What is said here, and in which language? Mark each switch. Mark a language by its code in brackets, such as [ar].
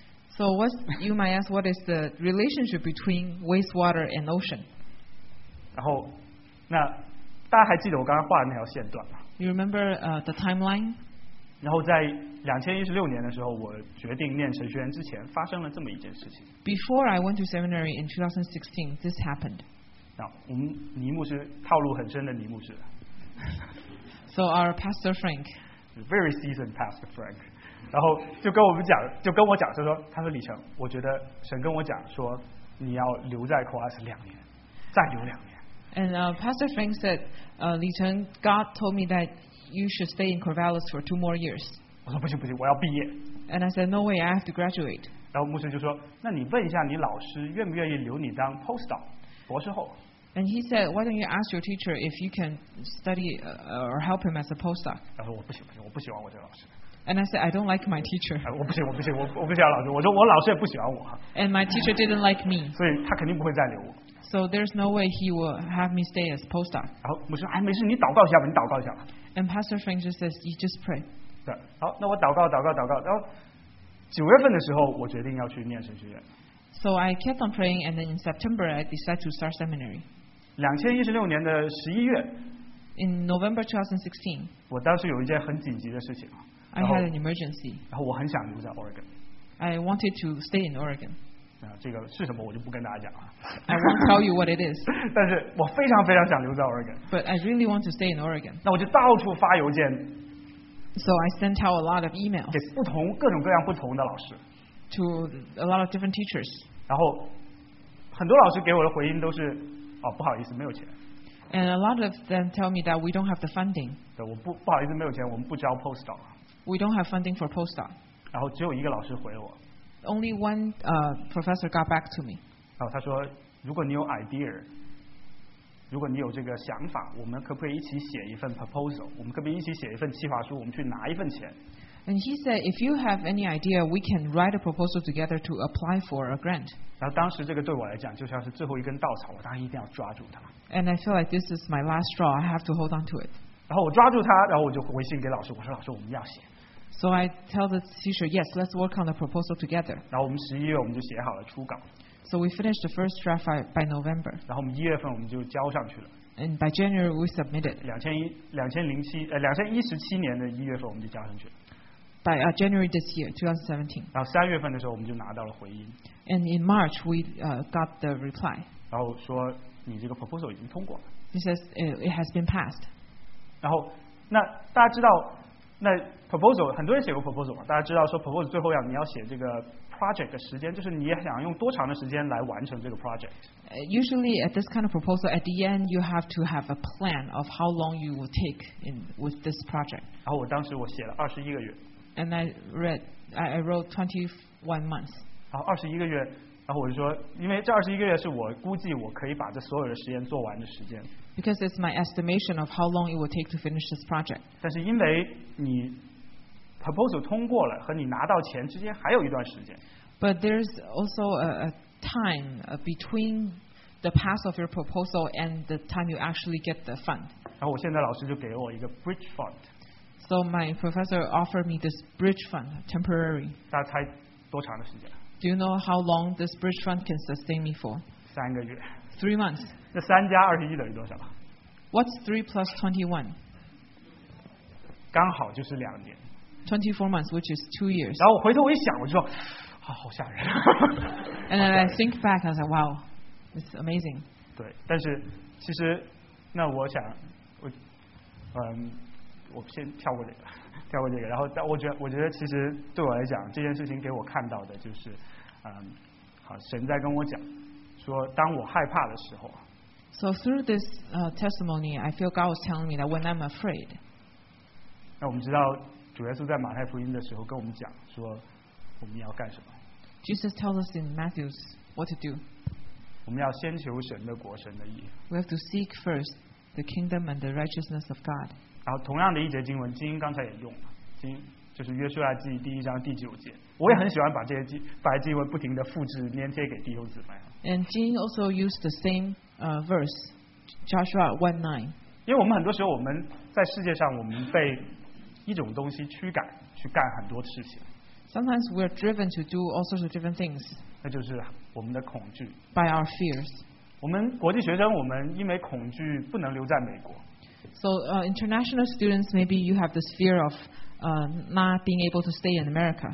[en] So what's, you might ask, what is the relationship between wastewater and ocean? [zh] 然后，那大家还记得我刚刚画的那条线段吗 [en] ？You remember the timeline? [zh] 然后在2016年的时候，我决定念神学院之前，发生了这么一件事情。 [en] Before I went to seminary in 2016, this happened. [zh] 那我们尼牧师套路很深的尼牧师。 [en] So our Pastor Frank. Very seasoned Pastor Frank. [zh] 然后就跟我们讲，就跟我讲，就说，他说李成，我觉得神跟我讲说，你要留在 Coas 两年，再留两年。 [en] And Pastor Frank said, 李成 God told me that you should stay in Corvallis for two more years. [zh] 我说不行不行，我要毕业。 [en] And I said, no way, I have to graduate. [zh] 然后牧师就说，那你问一下你老师愿不愿意留你当 postdoc 博士后。 [en] And he said, why don't you ask your teacher if you can study or help him as a postdoc? [zh] 然后我不行不行，我不喜欢我这个老师。 [en] And I said, I don't like my teacher. [zh] 我不行，我不行，我不喜欢老师。我说我老师也不喜欢我。 [en] And my teacher didn't like me. [zh] 所以他肯定不会再留我。 [en] So there's no way he will have me stay as postdoc. [zh] 然后我说，哎，没事，你祷告一下吧，你祷告一下吧。 [en] And Pastor Frank just says, you just pray. [zh] 对，好，那我祷告，祷告，祷告。然后九月份的时候，我决定要去念神学院。 [en] So I kept on praying, and then in September, I decided to start seminary. [zh] 2016年的十一月。 [en] In November 2016. [zh] 我当时有一件很紧急的事情。 [en] I had an emergency. [zh] 然后我很想留在 Oregon. [en] I wanted to stay in Oregon. [zh] 啊，这个是什么我就不跟大家讲了。 [en] I won't tell you what it is. [zh] 但是我非常非常想留在 Oregon. [en] But I really want to stay in Oregon. [zh] 那我就到处发邮件。 [en] So I sent out a lot of emails. [zh] 给不同各种各样不同的老师。 [en] To a lot of different teachers. [zh] 然后很多老师给我的回应都是，哦，不好意思，没有钱。 [en] And a lot of them tell me that we don't have the funding. [zh] 对，我不好意思，没有钱，我们不招 postdoc。 [en] We don't have funding for postdoc. [zh] 然后只有一个老师回我。 [en] Only one professor got back to me. [zh] 然后他说，如果你有 idea， 如果你有这个想法，我们可不可以一起写一份 proposal？我们可不可以一起写一份企划书？我们去拿一份钱 [en] ？And he said, if you have any idea, we can write a proposal together to apply for a grant. [zh] 然后当时这个对我来讲就像是最后一根稻草，我当时一定要抓住它。 [en] And I feel like this is my last straw. I have to hold on to it. [zh] 然后我抓住他，然后我就回信给老师，我说：“老师，我们要写。” [en] So I tell the teacher, yes, let's work on the proposal together. [zh] 然后我们十一月我们就写好了初稿。 [en] So we finished the first draft by November. [zh] 然后我们一月份我们就交上去了。 [en] And by January we submitted. [zh] 2017年的一月份我们就交上去了。 [en] By January this year, 2017. [zh] 然后三月份的时候我们就拿到了回音。 [en] And in March we got the reply. [zh] 然后说你这个 proposal 已经通过了。 [en] He says it has been passed. [zh] 然后那大家知道那 proposal 很多人写过 proposal 嘛，大家知道说 proposal 最后要你要写这个 project 的时间，就是你想用多长的时间来完成这个 project。 [en] Usually at this kind of proposal at the end you have to have a plan of how long you will take in with this project。 [zh] 然后我当时我写了21个月。 [en] And I wrote 21 months。 [zh] 然后21个月，然后我就说，因为这21个月是我估计我可以把这所有的实验做完的时间。 [en] Because it's my estimation of how long it will take to finish this project. [zh] 但是因为你 proposal 通过了，和你拿到钱之间还有一段时间。 [en] But there's also a time between the pass of your proposal and the time you actually get the fund. [zh] 然后我现在老师就给我一个 bridge fund. [en] So my professor offered me this bridge fund temporary. [zh] 大概多长的时间？ [en] Do you know how long this bridge fund can sustain me for? [zh] 3个月。 [en] 3 months. [zh] 这三加二十一等于多少？ [en] What's 3 plus 21? [zh] 刚好就是2年。 [en] 24 months, which is 2 years. [zh] 然后我回头我一想，我就说，啊，好吓人。 [en] And then I think back, I was like, wow, it's amazing. [zh] 对，但是其实，那我想，我先跳过这个。跳过这个，然后我觉得其实对我来讲这件事情给我看到的就是，好，神在跟我讲说，当我害怕的时候。 [en] So through this testimony, I feel God was telling me that when I'm afraid. [zh] 那我们知道主耶稣在马太福音的时候跟我们讲说，我们要干什么 [en] ？Jesus tells us in Matthew what to do. [zh] 我们要先求神的国、神的义。 [en] We have to seek first the kingdom and the righteousness of God. [zh] 然后同样的一节经文，金英刚才也用了，金英就是约书亚记第一章第九节。我也很喜欢把这些白经文不停的复制粘贴给弟兄姊妹。 [en] And Jean also used the same verse, Joshua 1:9. [zh] 因为我们很多时候我们在世界上我们被一种东西驱赶去干很多事情。 [en] Sometimes we are driven to do all sorts of different things. [zh] 那就是我们的恐惧。 [en] By our fears. [zh] 我们国际学生，我们因为恐惧不能留在美国。 [en] So international students, maybe you have this fear of not being able to stay in America.